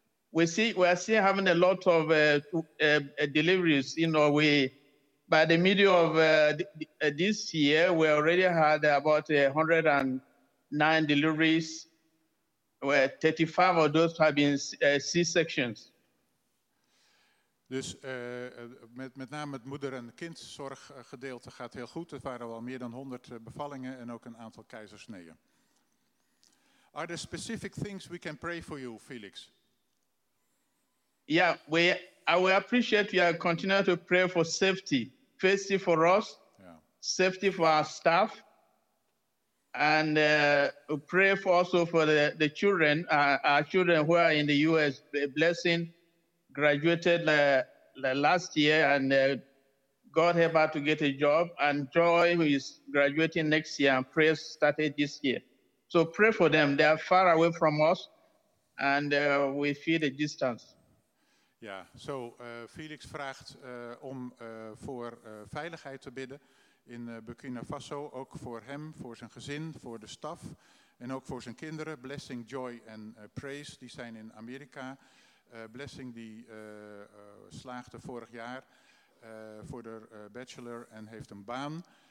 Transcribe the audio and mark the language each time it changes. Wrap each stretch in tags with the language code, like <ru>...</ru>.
<en>We are still having a lot of deliveries, you know. By the middle of this year, we already had about 109 deliveries, where 35 of those have been C-sections.</en> <nl>Dus met name het moeder- en kindzorggedeelte gaat heel goed. Er waren al meer dan 100 bevallingen en ook een aantal keizersneden.</nl> <en>Are there specific things we can pray for you, Felix? Yeah, we appreciate your continued prayer for safety. Safety for us, yeah. Safety for our staff, and we pray for also for the children, our children who are in the U.S. Blessing graduated last year, and God help her to get a job, and Joy, who is graduating next year, and prayers started this year. So pray for them. They are far away from us, and we feel the distance.</en> <nl>Ja, zo, Felix vraagt om voor veiligheid te bidden in Burkina Faso. Ook voor hem, voor zijn gezin, voor de staf en ook voor zijn kinderen. Blessing, Joy en Praise, die zijn in Amerika. Blessing die slaagde vorig jaar voor de bachelor en heeft een baan.</nl>